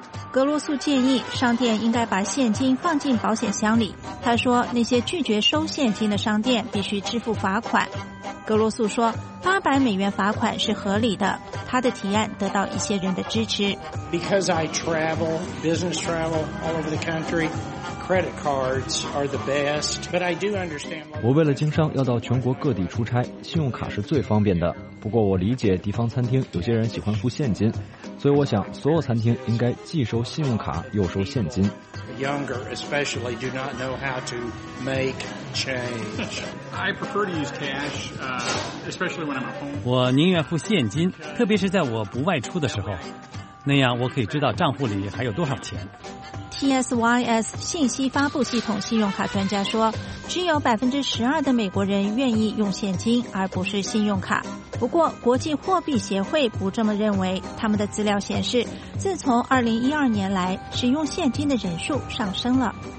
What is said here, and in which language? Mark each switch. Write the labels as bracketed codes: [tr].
[zh] 格罗素建议商店应该把现金放进保险箱里，他说那些拒绝收现金的商店必须支付罚款。格罗素说$800罚款是合理的，他的提案得到一些人的支持。 [en] Because I travel, business travel all over the country, credit cards are the best, but I do understand. [zh] 我为了经商要到全国各地出差，信用卡是最方便的。不过我理解地方餐厅有些人喜欢付现金，所以我想所有餐厅应该既收信用卡又收现金。 [en] younger especially do not know how to make change. I prefer to use cash, especially when I'm at home. [zh] 我宁愿付现金，特别是在我不外出的时候，那样我可以知道账户里还有多少钱。 TSYS 信息发布系统信用卡专家说，只有 12% 的美国人愿意用现金而不是信用卡。不过国际货币协会不这么认为，他们的资料显示，自从2012年来使用现金的人数上升了。